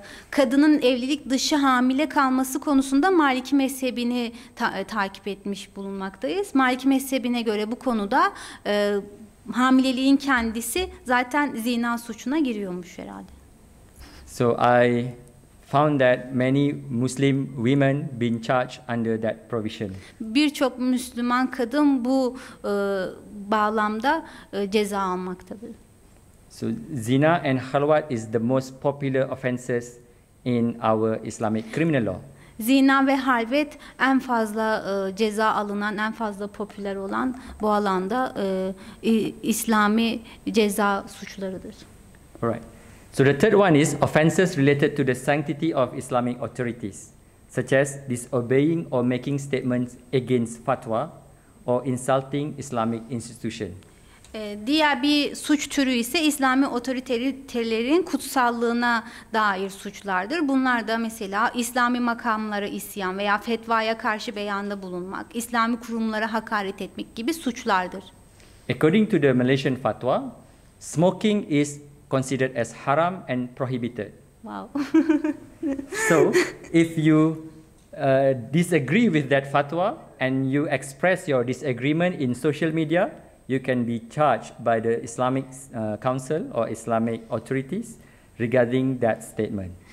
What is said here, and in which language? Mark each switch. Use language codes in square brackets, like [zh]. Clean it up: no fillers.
[tr] Kadının evlilik dışı hamile kalması konusunda Maliki mezhebini takip etmiş bulunmaktayız. Maliki mezhebine göre bu konuda hamileliğin kendisi zaten zina suçuna giriyormuş herhalde. [en] So I found that many Muslim women been charged under that provision. [tr] Birçok Müslüman kadın bu bağlamda ceza almaktadır. [en] So zina and halwat is the most popular offenses in our Islamic criminal law. [tr] Zina ve halvet en fazla ceza alınan, en fazla popüler olan bu alanda İslami ceza suçlarıdır. [en] All right. So the third one is offenses related to the sanctity of Islamic authorities, such as disobeying or making statements against fatwa or insulting Islamic institution. [tr] Diğer bir suç türü ise İslami otoritelerin kutsallığına dair suçlardır. Bunlar da mesela İslami makamlara isyan veya fetvaya karşı beyanda bulunmak, İslami kurumlara hakaret etmek gibi suçlardır. [en] According to the Malaysian fatwa, smoking is considered as haram and prohibited. Wow. So, if you disagree with that fatwa and you express your disagreement in social media, you can be charged by the Islamic Council or Islamic authorities regarding that statement.